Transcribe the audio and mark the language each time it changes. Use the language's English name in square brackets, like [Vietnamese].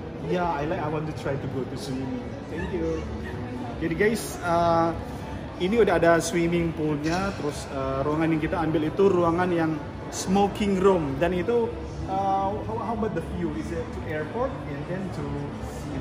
[English] I want to try to go to swimming. Thank you. [Indonesian] Jadi guys, ini udah ada swimming poolnya. Terus ruangan yang kita ambil itu ruangan yang smoking room. Dan itu [English] how about the view? Is it to airport and then to sea